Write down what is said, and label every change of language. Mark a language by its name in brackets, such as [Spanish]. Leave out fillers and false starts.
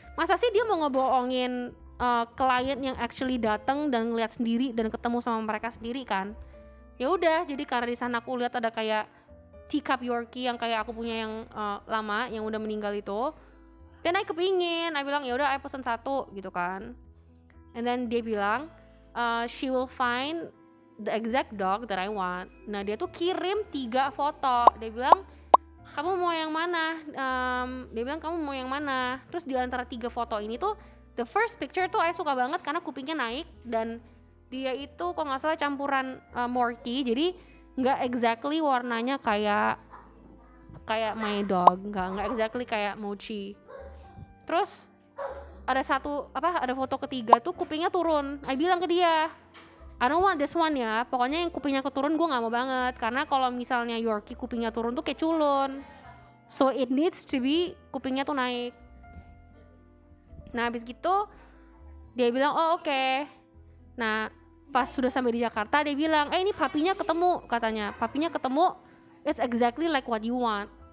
[Indonesian] Masa sih dia mau ngebohongin klien yang actually datang dan ngeliat sendiri dan ketemu sama mereka sendiri kan. Ya udah, jadi karena di sana aku lihat ada kayak teacup Yorkie yang kayak aku punya yang lama yang udah meninggal itu, dan I kepingin, I bilang ya udah I pesen satu gitu kan. [English] And then [Indonesian] dia bilang, [English] she will find the exact dog that I want. [Indonesian] Nah dia tuh kirim 3 foto. Dia bilang, kamu mau yang mana? Dia bilang, kamu mau yang mana? Terus di antara 3 foto ini tuh, [English] the first picture [Indonesian] tuh I suka banget karena kupingnya naik. Dan dia itu kalau gak salah campuran Morky. Jadi gak exactly warnanya kayak [English] my dog. [Indonesian] Gak exactly kayak Mochi. Terus ada satu apa ada foto ketiga tuh kupingnya turun. I bilang ke dia, [English] I don't want this one [Indonesian] ya. Pokoknya yang kupingnya keturun gue nggak mau banget. Karena kalau misalnya Yorkie kupingnya turun tuh kayak culun. [English] So it needs to be [Indonesian] kupingnya tuh naik. Nah abis gitu dia bilang oh oke. Nah pas sudah sampai di Jakarta dia bilang eh ini papinya ketemu katanya. Papinya ketemu [English] it's exactly like what you want.